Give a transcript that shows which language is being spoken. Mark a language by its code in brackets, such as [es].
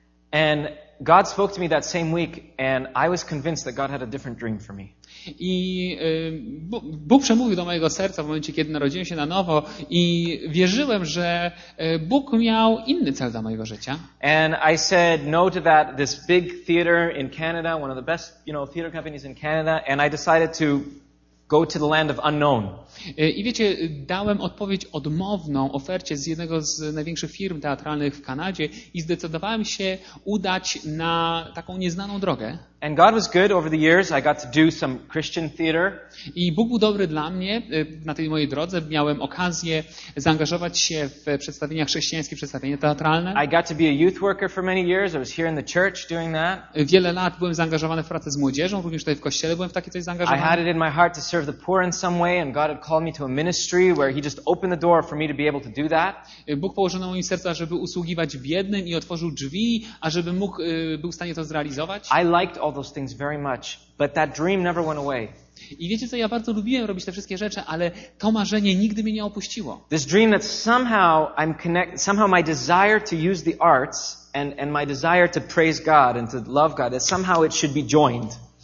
[en] And God spoke to me that same week and I was convinced that God had a different dream for me. [pl] I Bóg przemówił do mojego serca w momencie, kiedy narodziłem się na nowo i wierzyłem, że Bóg miał inny cel dla mojego życia. [en] And I said no to that this big theater in Canada, one of the best, you know, theater companies in Canada, and I decided to go to the land of unknown. [pl] I wiecie, dałem odpowiedź odmowną ofercie z jednego z największych firm teatralnych w Kanadzie i zdecydowałem się udać na taką nieznaną drogę. [en] And God was good over the years. I got to do some Christian theater. [pl] I Bóg był dobry dla mnie na tej mojej drodze. Miałem okazję zaangażować się w przedstawienia chrześcijańskie, przedstawienia teatralne. [en] I got to be a youth worker for many years. I was here in the church doing that. [pl] Wiele lat byłem zaangażowany w pracę z młodzieżą, również tutaj w kościele byłem w takie coś zaangażowany. [en] I had it in my heart to serve the poor in some way, and God had called me to a ministry where He just opened the door for me to be able to do that. [pl] Bóg położył na moim sercu, żeby usługiwać biednym i otworzył drzwi, ażeby mógł był w stanie to zrealizować. [en] I liked all those things very much, but that dream never went away. [pl] I wiecie co, ja bardzo lubiłem robić te wszystkie rzeczy, ale to marzenie nigdy mnie nie opuściło. [en] This dream that somehow I'm connected, somehow my desire to use the arts and my desire to praise God and to love God, that somehow it should be joined.